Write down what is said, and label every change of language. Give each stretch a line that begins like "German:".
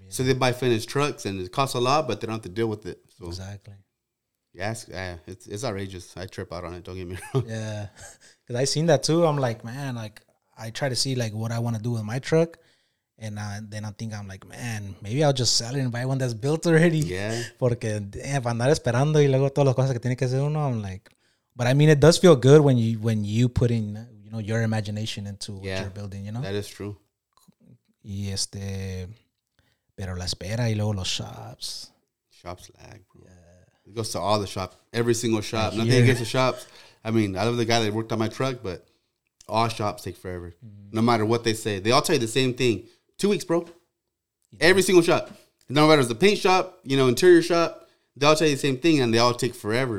English: So they buy finished trucks and it costs a lot, but they don't have to deal with it. So. Exactly. Yes, it's outrageous. I trip out on it. Don't get me wrong. Yeah. Because I seen that too. I'm like, man, like, I try to see, like, what I want to do with my truck. And then I think, I'm like, man, maybe I'll just sell it and buy one that's built already. Yeah.
Spanish: Porque, if andar esperando y luego todas las cosas que tiene que hacer uno, I'm like.
English: But, I mean, it does feel good when you put in, you know, your imagination into what you're building, you know? That is true.
Spanish: Y este, pero la espera y luego los shops.
English: Shops lag, bro. Yeah. It goes to all the shops, every single shop. Here. Nothing against the shops. I mean, I love the guy that worked on my truck, but all shops take forever. Mm-hmm. No matter what they say. They all tell you the same thing. 2 weeks, bro. Yeah. Every single shop. No matter if it's the paint shop, you know, interior shop, they all tell you the same thing, and they all take forever.